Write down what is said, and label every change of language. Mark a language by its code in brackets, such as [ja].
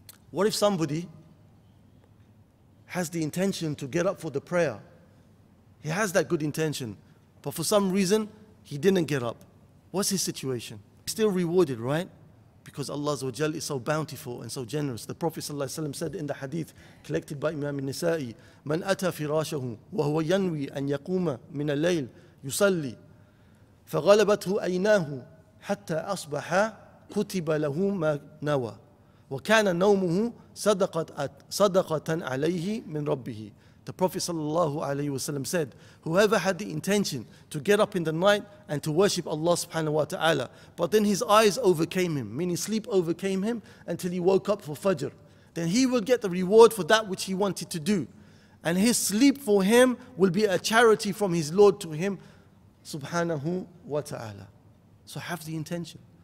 [en] What if somebody has the intention to get up for the prayer? He has that good intention, but for some reason he didn't get up. What's his situation? He's still rewarded, right? Because Allah Azza wa Jal is so bountiful and so generous. The Prophet Sallallahu Alaihi Wasallam said in the hadith collected by Imam al-Nisa'i, [ar] مَنْ أَتَى فِرَاشَهُ وَهُوَ يَنْوِي أَنْ يَقُومَ مِنَ اللَّيْلِ يُسَلِّي فَغَلَبَتْهُ أَيْنَاهُ حَتَّى أَصْبَحَ كُتِبَ لَهُ مَا نَوَى وَكَانَ نَوْمُهُ صَدَقَةً عَلَيْهِ مِنْ رَبِّهِ. [en] The Prophet Sallallahu Alaihi Wasallam said, whoever had the intention to get up in the night and to worship Allah Subhanahu Wa Ta'ala, but then his eyes overcame him, meaning sleep overcame him until he woke up for Fajr, then he will get the reward for that which he wanted to do. And his sleep for him will be a charity from his Lord to him, Subhanahu Wa Ta'ala. So have the intention.